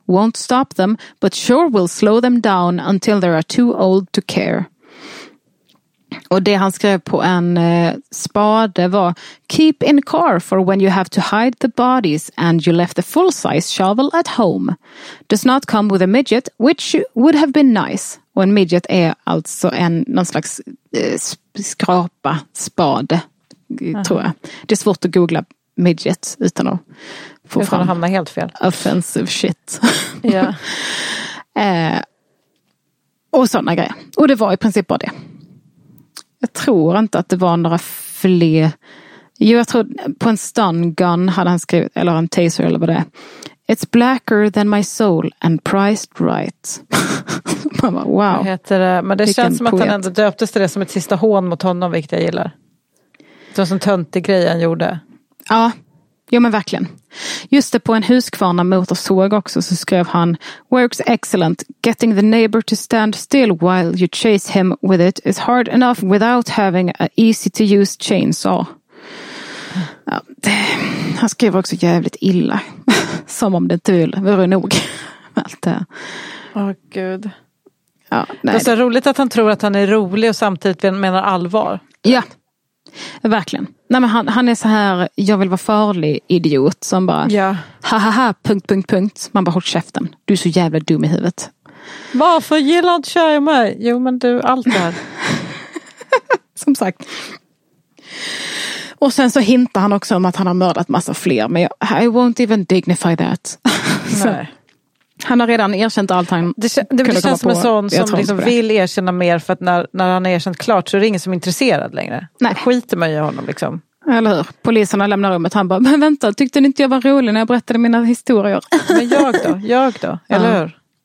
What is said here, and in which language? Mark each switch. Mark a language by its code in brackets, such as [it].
[en] Won't stop them, but sure will slow them down until they are too old to care. [sv] Och det han skrev på en spade var, [en] keep in car for when you have to hide the bodies and you left the full-size shovel at home. Does not come with a midget, which would have been nice. [sv] Och en midget är alltså en någon slags skrapa spade, tror jag. Det är svårt att googla midget utan att få fram att hamna helt fel. [en] Offensive shit. [sv] Ja. och sådana grejer. Och det var i princip bara det. Jag tror inte att det var några fler. Jo, jag tror på en stun gun hade han skrivit, eller en taser eller vad det är. [en] It's blacker than my soul and priced right. [sv] Man bara, [en] wow. [sv] Det heter det. Men det känns som poet. Att han ändå döptes till det som ett sista hån mot honom, vilket jag gillar. Det var en sån töntig grej han gjorde. Ja, jo, men verkligen. Just det, på en Husqvarna motorsåg också så skrev han, [en] works excellent, getting the neighbor to stand still while you chase him with it is hard enough without having an easy to use chainsaw. [sv] Ja, han skrev också jävligt illa, som om det inte vore nog. Allt det. Åh, gud. Ja, nej. Det är så roligt att han tror att han är rolig och samtidigt menar allvar. Ja, Verkligen. Nej, men han är så här, jag vill vara farlig idiot som bara, ja, hahaha, punkt, punkt, punkt. Man bara, håll käften. Du är så jävla dum i huvudet. Varför gillar du tjej mig? Jo, men du, allt där. Som sagt. Och sen så hintar han också om att han har mördat massa fler. Men jag, [en] I won't even dignify that. [sv] Nej. Han har redan erkänt allt han det känns som en sån som liksom vill erkänna mer, för att när han har erkänt klart så är det ingen som är intresserad längre. Nej. Skiter man ju honom liksom. Eller hur? Poliserna lämnar rummet. Han bara, men vänta, tyckte ni inte jag var rolig när jag berättade mina historier? Men jag då? Eller hur?